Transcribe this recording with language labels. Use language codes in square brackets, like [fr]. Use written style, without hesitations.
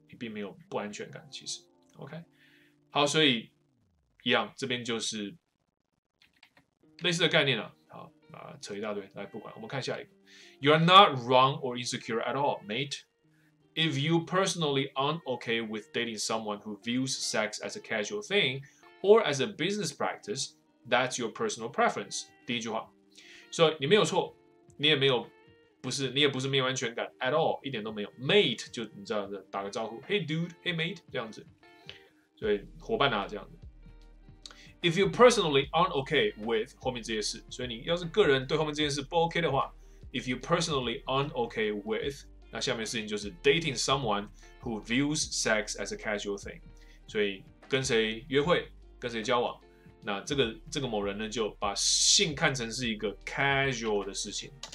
[zh] 你并没有不安全感其实。 OK? 好，所以一样，这边就是类似的概念啊。好，扯一大堆，来不管，我们看下一个。 [en] You are not wrong or insecure at all, mate. If you personally aren't okay with dating someone who views sex as a casual thing or as a business practice, that's your personal preference. [zh] 第一句话。所以你没有错，你也没有不是，你也不是没有安全感 [en] at all， [zh] 一点都没有。 Mate 就你知道打个招呼 ， [en] Hey dude，Hey mate [zh] 这样子，所以伙伴啊这样子。 [en] If you personally aren't okay with [zh] 后面这些事，所以你要是个人对后面这件事不 OK 的话 ，If you personally aren't okay with， 那下面的事情就是 [en] dating someone who views sex as a casual thing， [zh] 所以跟谁约会，跟谁交往，那这个某人呢就把性看成是一个 casual 的事情。